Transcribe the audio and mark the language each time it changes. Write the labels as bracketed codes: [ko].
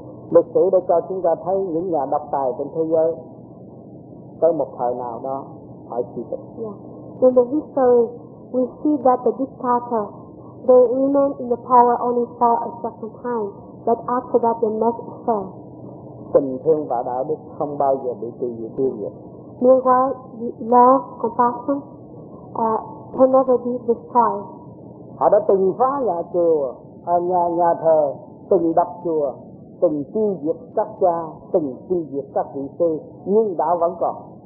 [vi] Lịch sử đã cho chúng ta thấy những nhà độc tài trên thế giới tới một thời nào đó phải chịu trách. [en] Yeah. In the history, we see that the dictator, they remain in the power only for a certain time, but after that they must fall. [vi] Tình thương và đạo đức không bao giờ bị trừ diệt tiêu diệt. [en] Meanwhile, love, compassion, can never be destroyed. [vi] Họ đã từng phá nhà chùa, nhà thờ, từng đập chùa, từng tiêu diệt các cha, từng tiêu diệt các vị sư, nhưng đạo vẫn còn.